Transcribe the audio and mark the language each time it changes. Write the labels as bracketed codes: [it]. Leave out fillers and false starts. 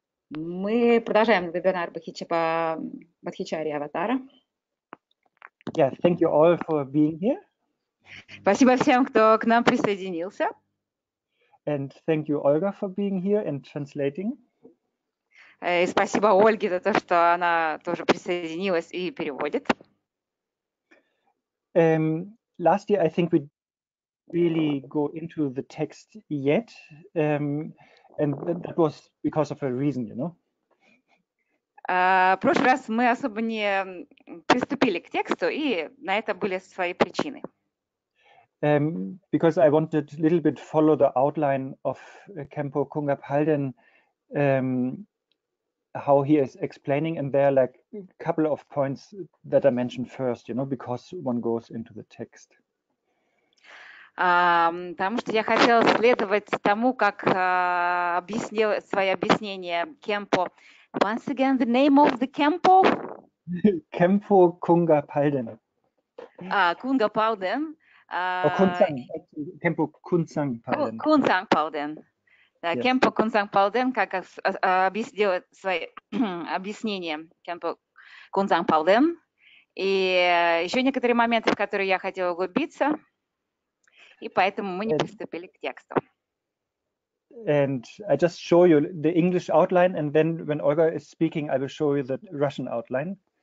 [ru] Мы продолжаем вебинар Бхатхичари Аватара. [en] Yeah, thank you all for being here. [ru] Спасибо всем, кто к нам присоединился. [en] And thank you, Olga, for being here and translating. [ru] И спасибо Ольге за то, что она тоже присоединилась и переводит. [en] Last year, I think we didn't really go into the text yet, and that was because of a reason, you know. [ru] В прошлый раз мы особо не приступили к тексту, и на это были свои причины. [en] Because I wanted a little bit follow the outline of Kempo Kungap Halden, how he is explaining, and there are like a couple of points that I mentioned first, you know, because one goes into the text. [ru] Потому что я хотела следовать тому, как объяснил свои объяснения Кемпо. [en] Once again, the name of the Kempo? Kempo Kungap Halden. Kungap Halden. Kunsang, actually, Kempo Kunsang Halden. Kunsang Halden. [ru] Кемпо Кунзанг Палден, как объяснил свои объяснения Кемпо Кунзанг Палден. И еще некоторые моменты, в которые я хотела углубиться, и поэтому мы не приступили к тексту. [en] And I just show you the English outline, and then when Olga is speaking, I will show you the Russian outline.